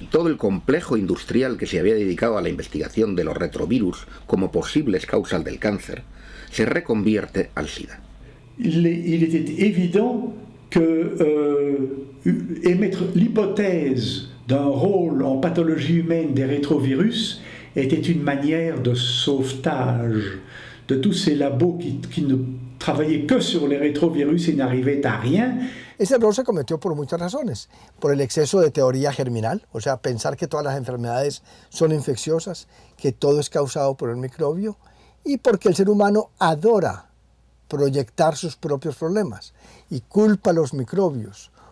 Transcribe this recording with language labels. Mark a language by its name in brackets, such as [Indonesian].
[Spanish] Todo el complejo industrial que se había dedicado a la investigación de los retrovirus como posibles causas del cáncer se reconvierte al SIDA. [French] Il était évident que émettre l'hypothèse d'un rôle en pathologie humaine des rétrovirus était une manière de sauvetage de tous ces labos qui ne travaillaient que sur les rétrovirus et n'arrivaient à rien. [Spanish] Ese error se cometió por muchas razones, por el exceso de teoría germinal, o sea, pensar que todas las enfermedades son infecciosas, que todo es causado por el microbio, y porque el ser humano adora proyectar sus propios problemas y culpa a los microbios